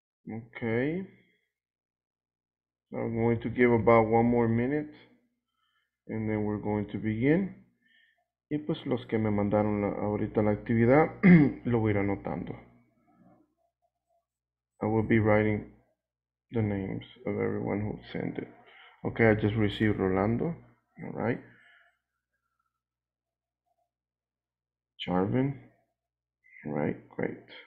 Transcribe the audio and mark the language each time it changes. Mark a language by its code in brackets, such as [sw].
[en] Okay, I'm going to give about 1 more minute, and then we're going to begin. [es] Y pues los que me mandaron ahorita la actividad, lo voy a ir anotando. [en] I will be writing the names of everyone who sent it. Okay, I just received Rolando, all right. Charvin, all right, great.